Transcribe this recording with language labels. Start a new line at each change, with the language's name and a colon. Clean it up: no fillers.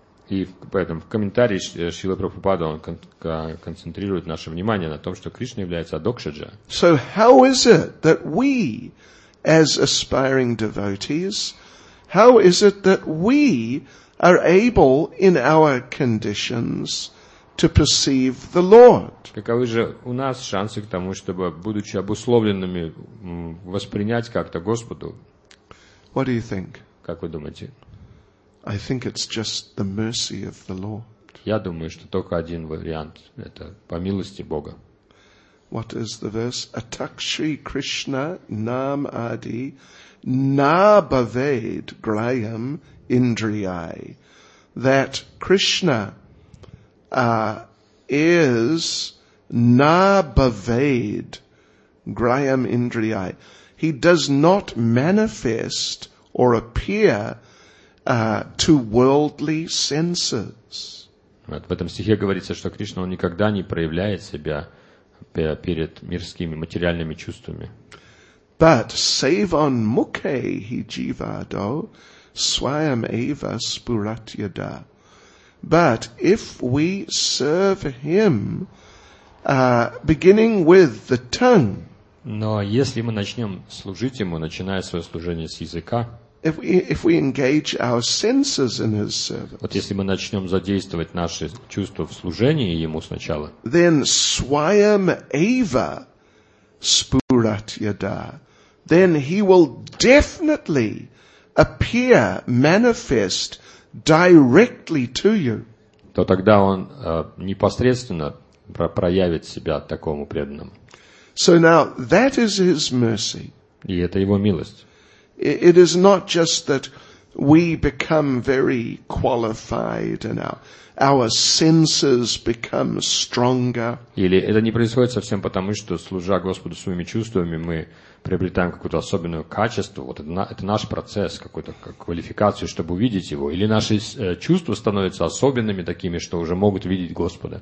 Russian: И поэтому в комментарии Шрилы Прабхупады он концентрирует наше внимание на том, что Кришна является Адхокшаджа.
English: So how is it that we, as aspiring devotees, how is it that we are able in our conditions to perceive the Lord?
Russian: Каковы же у нас шансы к тому, чтобы, будучи обусловленными, воспринять как-то Господу?
English: What do you think?
Russian: Как вы думаете?
English: I think it's just the mercy of the Lord.
Russian: Я думаю, что только один вариант – это по милости Бога.
English: What is the verse?
Sanskrit: Atakshri Krishna nam adi nabaved grayam indriyai.
English: That Krishna is
Sanskrit: nabaved grayam indriyai.
English: He does not manifest or appear to worldly senses.
Russian: В этом стихе говорится, что Кришна он никогда не проявляет себя перед мирскими материальными чувствами.
Sanskrit: But save on mukhe hi jivado swayam eva spuratyada.
English: But if we serve Him, beginning with the tongue,
Russian: но если мы начнем служить Ему, начиная свое служение с языка,
English: if we engage our senses in His service,
Russian: вот если мы начнем задействовать наши чувства в служении Ему сначала,
English: then
Sanskrit: swayam eva spurat yada,
English: then He will definitely appear manifest directly to you.
Russian: То тогда Он непосредственно проявит себя такому преданному.
English: So now that is His mercy.
Russian: И это Его милость.
English: It is not just that we become very qualified and our senses become stronger.
Russian: Или это не происходит совсем потому, что служа Господу своими чувствами, мы приобретаем какое-то особенное качество. Вот это наш процесс, какую-то квалификацию, чтобы увидеть Его. Или наши чувства становятся особенными такими, что уже могут видеть Господа.